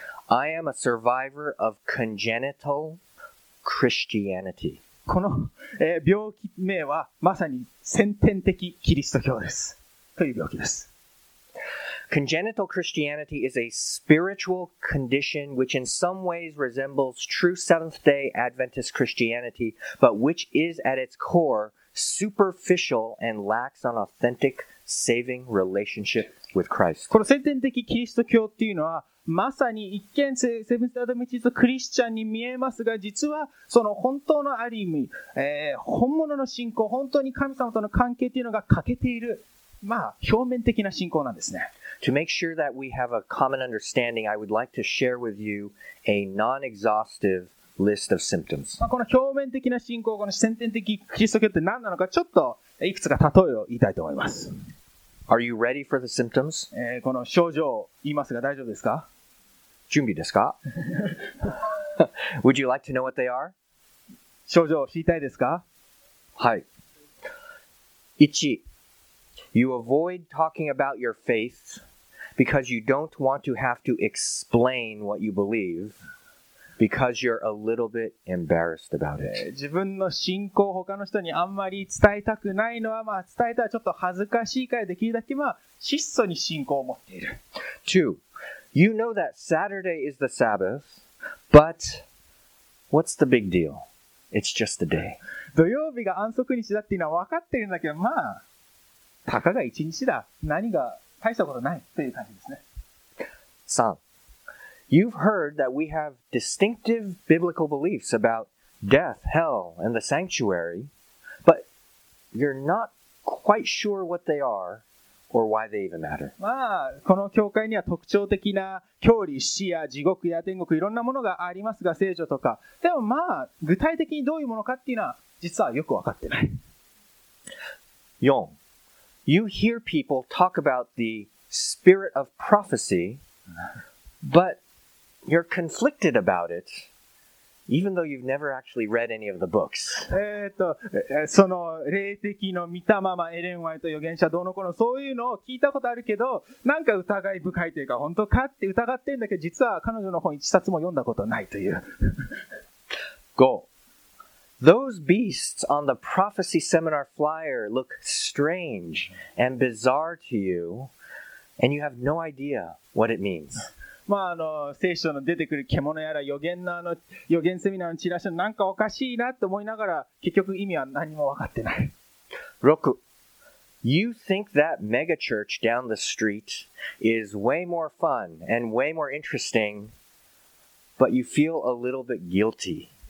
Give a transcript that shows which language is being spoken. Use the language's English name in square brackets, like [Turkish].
[English] I am a survivor of congenital Christianity. [Japanese] この、病気名は、まさに先天的キリスト教です。という病気です。 [English] Congenital Christianity is a spiritual condition which in some ways resembles true Seventh-day Adventist Christianity, but which is at its core superficial and lacks an authentic saving relationship with Christ. [Japanese] この先天的キリスト教っていうのは、まさに一見セブンスアドベンチストクリスチャンに見えますが、実はその本当のある意味、本物の信仰、本当に神様との関係っていうのが欠けている、まあ表面的な信仰なんですね。 [English] To make sure that we have a common understanding, I would like to share with you a non-exhaustive list of symptoms. [Japanese] この表面的な信仰、この先天的キリスト教って何なのか、ちょっといくつか例えを言いたいと思います。 [English] Are you ready for the symptoms? [Japanese] この症状言いますが大丈夫ですか？準備ですか？ [English] Would you like to know what they are? [Japanese] 症状知りたいですか？はい。 [English] 1You avoid talking about your faith because you don't want to have to explain what you believe because you're a little bit embarrassed about it. [Japanese] 自分の信仰を他の人にあんまり伝えたくないのは、まあ、伝えたらちょっと恥ずかしいからできるだけ、まあ、質素に信仰を持っている。 [English] 2. You know that Saturday is the Sabbath, but what's the big deal? It's just a day. [Japanese] 土曜日が安息日だっていうのは分かってるんだけど、まあたかが一日だ。何が大したことないという感じですね。 [English] 3. You've heard that we have distinctive biblical beliefs about death, hell, and the sanctuary, but you're not quite sure what they are or why they even matter. [Japanese] まあ、この教会には特徴的な教理、死や地獄や天国、いろんなものがありますが、聖書とか。でもまあ、具体的にどういうものかっていうのは、実はよくわかってない。 [English] 4. You hear people talk about the spirit of prophecy, but you're conflicted about it, even though you've never actually read any of the books. [Japanese] その霊的の御霊、エレン・ワイト預言者どうのこうの、そういうのを聞いたことあるけど、なんか疑い深いというか、本当かって疑ってるんだけど、実は彼女の本一冊も読んだことないという。 [English] Go. Those beasts on the prophecy seminar flyer look strange and bizarre to you, and you have no idea what it means. [Japanese] まあ、聖書の出てくる獣やら予言のあの予言セミナーのチラシのなんかおかしいなと思いながら、結局意味は何も分かってない。 [English] 6. You think that mega church down the street is way more fun and way more interesting, but you feel a little bit guilty.